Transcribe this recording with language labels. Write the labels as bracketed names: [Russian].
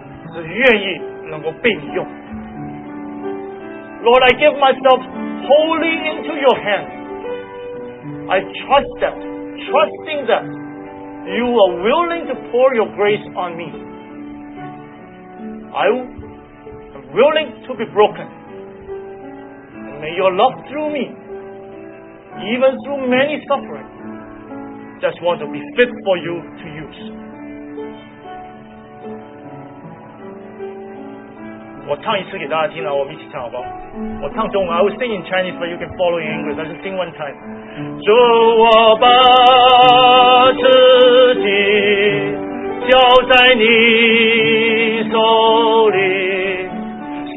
[Chinese] 你必定肯祝福与施恩，我愿意被你拨开，为着能够流入你的爱，不要顾我有什么的痛苦，只愿意能够被你用。 [English] Lord, I give myself wholly into your hand. I trust that, trusting that you are willing to pour your grace on me. I'm willing to be broken. And may your love through me, even through many suffering, just want to be fit for you to use. [Chinese] 我唱一次给大家听了，我们一起唱好不好？我唱中文。 [English] I will sing in Chinese, but you can follow in English. I just sing one time. [Chinese] 主，我把自己交在你手里。